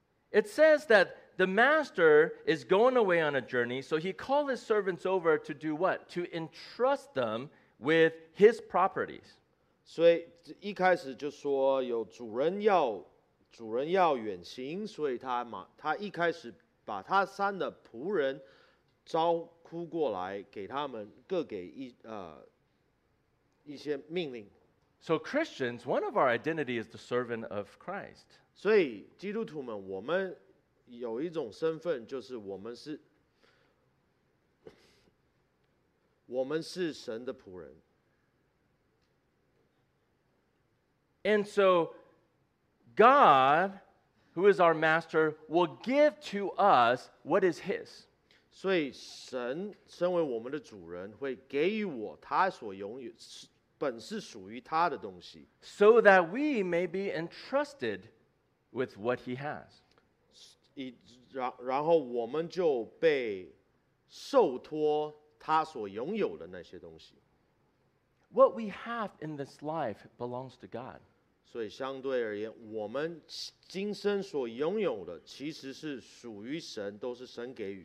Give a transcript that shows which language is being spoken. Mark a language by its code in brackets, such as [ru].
[en] it says that the master is going away on a journey, so he called his servants over to do what? To entrust them with his properties. [zh] 所以一开始就说有主人要远行，所以他一开始把他三的仆人招呼过来，给他们各给一些命令。 [en] So Christians, one of our identity is the servant of Christ. [zh] 所以基督徒们，我们有一种身份，就是我们是神的仆人。 [en] And so God, who is our master, will give to us what is his. [zh] 所以神身为我们的主人，会给予我他所拥有本是属于他的东西 [en] so that we may be entrusted with what he has. [zh] 然后我们就被受托他所拥有的那些东西。 [en] What we have in this life belongs to God. [zh] 所以相对而言，我们今生所拥有的其实是属于神，都是神给予。